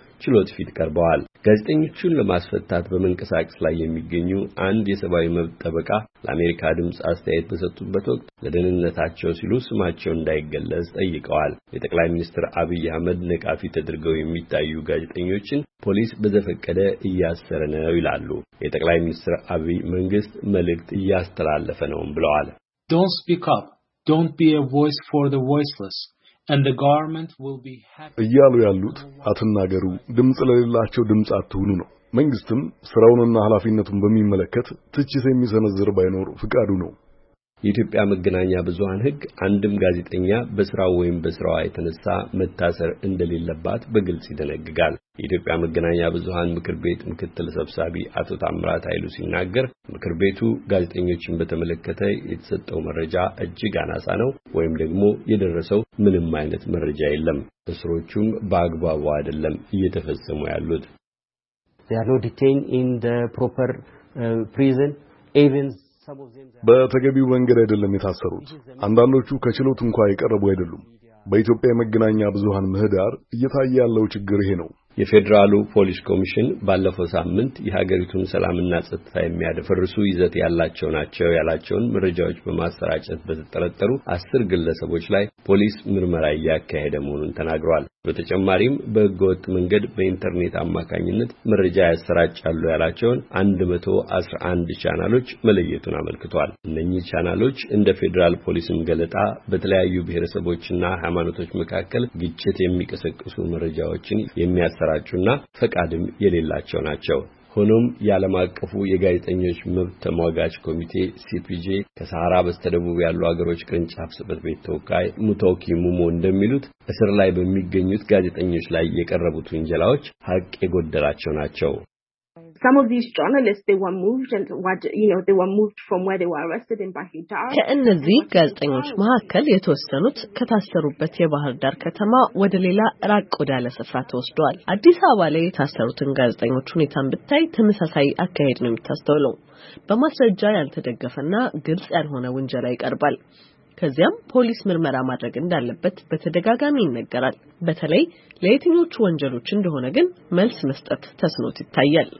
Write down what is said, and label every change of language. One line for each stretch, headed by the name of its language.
Amharic: ችሎት ፊት ቀርበዋል። ጋዜጠኞቹን ለማስፈታት በመንቀሳቀስ ላይ የሚገኙ አንድ የሰብአዊ መብት ጠበቃ ለአሜሪካ ድምጽ አስተያየት በሰጡበት ወቅት ለደህንነታቸው ሲሉ ስማቸው እንዳይገለጽ ጠይቀዋል። የጠቅላይ ሚኒስትር አብይ አህመድ ነቃፊ ተደርገው የሚታዩ ጋዜጠኞችን ፖሊስ በዘፈቀደ እያሰረ ነው ይላሉ። የጠቅላይ ሚኒስትር አብይ መንግስት መልእክት እያስተላለፈ ነው ብለዋል።
English: Don't speak up. Don't be a voice for the voiceless. And the government will be happy.
Amharic: እያሉ ያሉት አትናገሩ ድምጽ ለሌላቸው ድምጽ አትሁኑ ነው። መንግስትም ስራውንና ኃላፊነቱን በሚመለከት ትችት የሚሰነዝር ባይኖር ፍቃዱ ነው። የኢትዮጵያ መገናኛ ብዙሃን ህግ አንድም ጋዜጠኛ በስራው ወይም በስራዋ የተነሳ መታሰር እንደሌለባት በግልጽ ይደነግጋል። የኢትዮጵያ መገናኛ ብዙሃን ምክር ቤት ምክትል ሰብሳቢ አቶ ታምራት ኃይሉ ሲናገር ምክር ቤቱ ጋዜጠኞችን በተመለከተ የተሰጠው መረጃ እጅግ አናሳ ነው ወይም ደግሞ የደረሰው ምንም አይነት መረጃ የለም፣ እስሮቹም በአግባቡ አይደለም እየተፈጸሙ ያሉት።
English: They are not detained in the proper prison even
Amharic: በተገቢው መንገድ አይደለም የታሰሩት። አንዳንዶቹ ከችሎት እንኳን የቀረቡ አይደሉም። በኢትዮጵያ መገናኛ ብዙሃን ምህዳር እየታየ ያለው ችግር ይሄ ነው። የፌደራሉ ፖሊስ ኮሚሽን ባለፈው ሳምንት የሀገሪቱን ሰላምና ጸጥታ የሚያደፈርሱ ይዘት ያላቸው ናቸው ያላቸውን መረጃዎች በማሰራጨት በተጠረጠሩ 10 ግለሰቦች ላይ ፖሊስ ምርመራ እያካሄደ መሆኑን ተናግሯል። በተጨማሪም በህገወጥ መንገድ በኢንተርኔት አማካኝነት መረጃ ያሰራጫሉ ያላቸውን 111 ቻናሎች መለየቱን አመልክቷል። እነኚህ ቻናሎች እንደ ፌደራል ፖሊስም ገለጣ በተለያዩ ብሔረሰቦችና ሃይማኖቶች መካከል ግጭት የሚቀሰቅሱ መረጃዎችን የሚያሰራጩና ፈቃድም የሌላቸው ናቸው። ሆኖም የዓለም አቀፉ የጋዜጠኞች መብት ተሟጋች ኮሚቴ ሲፒጄ ከሰሃራ በስተደቡብ ያሉ አገሮች ቅርንጫፍ ጽህፈት ቤት ተወካይ ሙቶኪ ሙሞ እንደሚሉት እስር ላይ በሚገኙት ጋዜጠኞች ላይ የቀረቡት ውንጀላዎች ሀቅ የጎደላቸው ናቸው።
English: Some of these journalists they were moved from where they were arrested in Bahijar.
Amharic: ከእነዚህ ጋዜጠኞች መካከል የተወሰኑት ከታሰሩበት የባህር ዳር ከተማ ወደ ሌላ ራቅ ወዳለ ስፍራ ተወስደዋል። አዲስ አበባ ላይ የታሰሩት ጋዜጠኞች ሁኔታን ብታይ ተመሳሳይ አካሄድ ነው የሚታስተውለው። በማስረጃ ያልተደገፈና ግልጽ ያልሆነ ውንጀላ ይቀርባል። ከዚያም ፖሊስ ምርመራ ማድረግ እንዳለበት በተደጋጋሚ ይነገራል። በተለይ ለየትኞቹ ወንጀሎች እንደሆነ ግን መልስ መስጠት ተስኖት ይታያል።